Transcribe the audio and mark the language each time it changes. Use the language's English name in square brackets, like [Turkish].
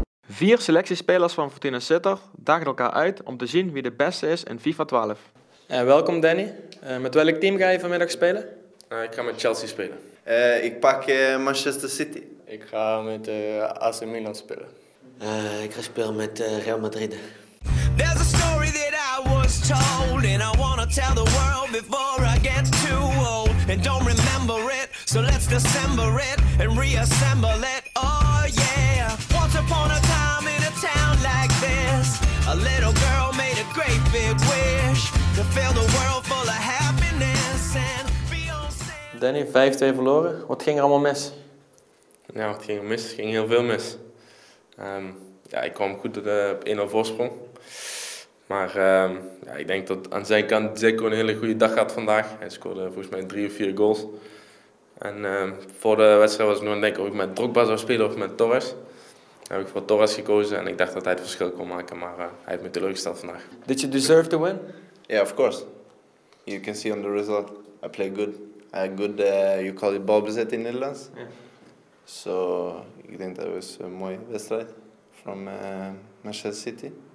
[Dutch] Vier selectiespelers van Fortuna Sittard dagen elkaar uit om te zien wie de beste is in FIFA 12. Welkom Danny. Met welk team ga je vanmiddag spelen? Ik ga met Chelsea spelen. Ik pak Manchester City. Ik ga met AC Milan spelen. Ik ga spelen met Real Madrid. [English] There's a story that I was told and I wanna tell the world before I get too old and don't remember it. So let's December it and reassemble it. Oh yeah. Upon a time in a town like this, a little girl made a great big wish to fill the world full of happiness and Beyonce. [Dutch] Danny, 5-2 verloren. Wat ging er allemaal mis? Nou, wat ging er mis? Het ging heel veel mis. Ik kwam goed op 1-0 voorsprong. Maar ik denk dat aan zijn kant Zeko een hele goede dag had vandaag. Hij scoorde volgens mij 3 of 4 goals. En voor de wedstrijd was ik nog aan het denken of ik met Drogba zou spelen of met Torres. Heb ik voor Torres gekozen en ik dacht dat hij het verschil kon maken, maar hij heeft me teleurgesteld vandaag. [English] Did you deserve to win? Yeah, of course. You can see on the result, I play good. You call it [Dutch] balbezit in Nederlands. [English] So, [Dutch] ik denk dat was een mooie wedstrijd [English] from [Dutch] Manchester City.